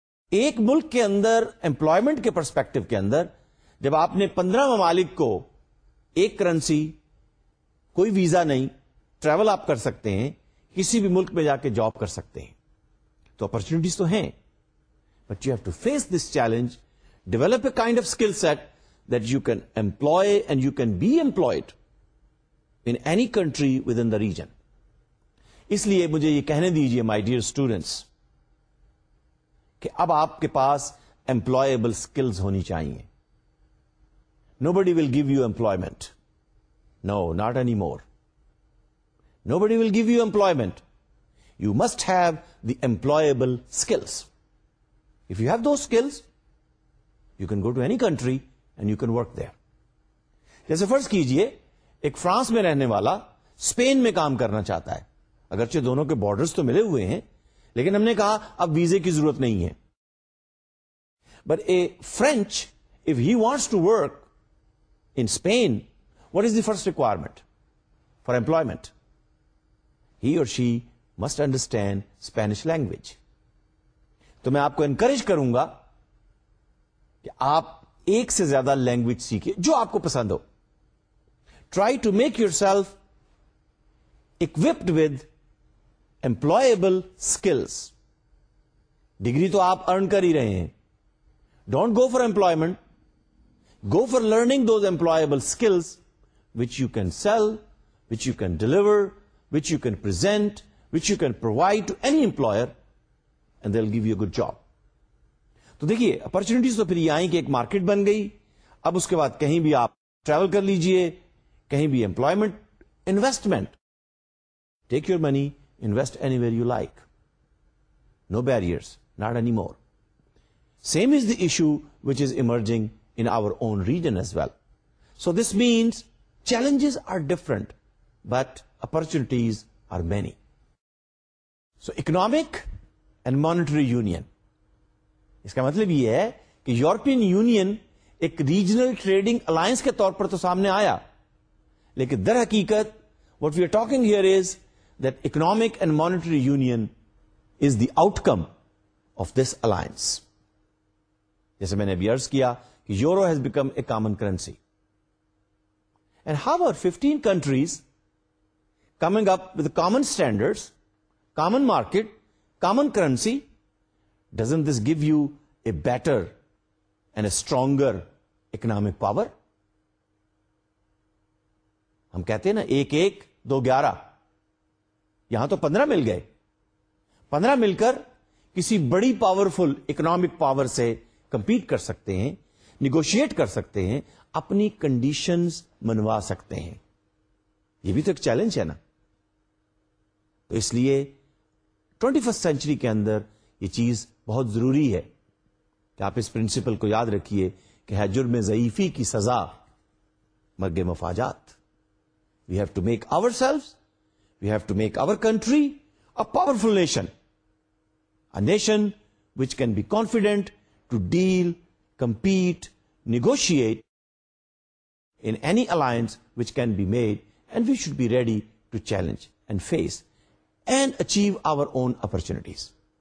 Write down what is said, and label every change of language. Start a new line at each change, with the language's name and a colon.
Urdu: ایک ملک کے اندر employment کے perspective کے اندر جب آپ نے 15 ممالک کو ایک کرنسی, کوئی ویزا نہیں, travel آپ کر سکتے ہیں, کسی بھی ملک میں جا کے job کر سکتے ہیں, تو opportunities تو ہیں.
English: But you have to face this challenge, develop a kind of skill set that you can employ and you can be employed in any country within the region.
Urdu: اس لیے مجھے یہ کہنے دیجئے
English: my dear students,
Urdu: کہ اب آپ کے پاس employable skills ہونی چاہیے.
English: Nobody will give you employment. No, not anymore. Nobody will give you employment. You must have the employable skills. If you have those skills, you can go to any country and you can work there.
Urdu: جیسے فرض کیجئے ایک France میں رہنے والا Spain میں کام کرنا چاہتا ہے, اگرچہ دونوں کے بارڈرز تو ملے ہوئے ہیں, لیکن ہم نے کہا اب ویزے کی ضرورت نہیں ہے.
English: But a French, if he wants to work in Spain, what is the first requirement for employment? He or she must understand Spanish language.
Urdu: تو میں آپ کو انکریج کروں گا کہ آپ ایک سے زیادہ لینگویج سیکھیں جو آپ کو پسند ہو.
English: Try to make yourself occupied with employable skills.
Urdu: Degree تو آپ ارن کر ہی رہے ہیں,
English: Don't go for employment, go for learning those employable skills which you can sell, which you can deliver, which you can present, which you can provide to any employer and they will give you a good job.
Urdu: تو دیکھیے opportunities تو پھر یہ آئیں کہ ایک market بن گئی, اب اس کے بعد کہیں بھی آپ ٹریول کر لیجئے, کہیں بھی employment, investment,
English: Take your money, invest anywhere you like, no barriers, not any more. Same is the issue which is emerging in our own region as well. So this means challenges are different but opportunities are many.
Urdu: So economic and monetary union, اس کا مطلب یہ ہے کہ European union ایک regional trading alliance کے طور پر تو سامنے آیا, لیکن در حقیقت
English: what we are talking here is that economic and monetary union is the outcome of this alliance.
Urdu: جیسے میں نے ابھی عرض کیا کہ euro
English: has become a common currency. And how are 15 countries coming up with the common standards, common market, common currency? Doesn't this give you a better and a stronger economic power?
Urdu: ہم کہتے ہیں نا ایک ایک دو گیارہ, یہاں تو 15 مل گئے, 15 مل کر کسی بڑی پاورفل اکنامک پاور سے کمپیٹ کر سکتے ہیں, نیگوشیٹ کر سکتے ہیں, اپنی کنڈیشنز منوا سکتے ہیں. یہ بھی تو ایک چیلنج ہے نا. تو اس لیے 21st سینچری کے اندر یہ چیز بہت ضروری ہے کہ آپ اس پرنسپل کو یاد رکھیے کہ ہے جرم ضعیفی کی سزا مرگ مفاجات.
English: We have to make ourselves, we have to make our country a powerful nation, a nation which can be confident to deal, compete, negotiate in any alliance which can be made, and we should be ready to challenge and face and achieve our own opportunities.